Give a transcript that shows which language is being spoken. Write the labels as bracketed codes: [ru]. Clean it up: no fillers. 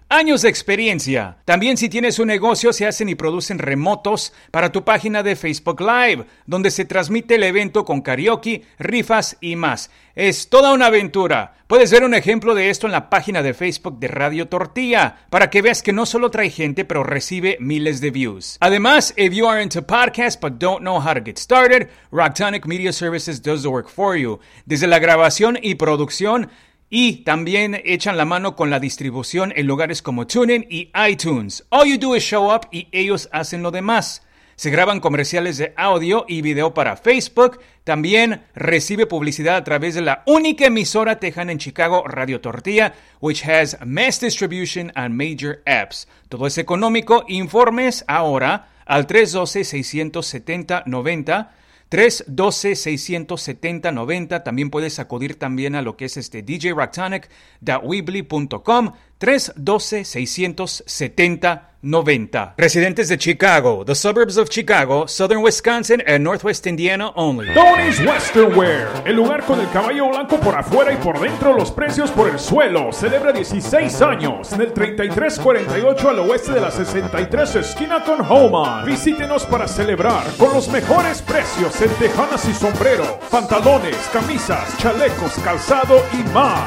[es] Años de experiencia. También si tienes un negocio, se hacen y producen remotos para tu página de Facebook Live, donde se transmite el evento con karaoke, rifas y más. Es toda una aventura. Puedes ver un ejemplo de esto en la página de Facebook de Radio Tortilla, para que veas que no solo trae gente, pero recibe miles de views. [en] Además, if you are into podcasts but don't know how to get started, Rocktonic Media Services does the work for you. [es] Desde la grabación y producción, y también echan la mano con la distribución en lugares como TuneIn y iTunes. [en] All you do is show up [es] y ellos hacen lo demás. Se graban comerciales de audio y video para Facebook. También recibe publicidad a través de la única emisora tejana en Chicago, Radio Tortilla, [en] which has mass distribution and major apps. [es] Todo es económico. Informes ahora al 312-670-90. 312-670-90. También puedes acudir también a lo que es djrocktonic.weebly.com. 312-670-90. Residentes de Chicago, [en] the suburbs of Chicago, southern Wisconsin and northwest Indiana only. [es] Tony's Western Wear, el lugar con el caballo blanco por afuera y por dentro, los precios por el suelo. Celebra 16 años en el 3348 al oeste de la 63 esquina con Homan. Visítenos para celebrar con los mejores precios en tejanas y sombreros, pantalones, camisas, chalecos, calzado y más.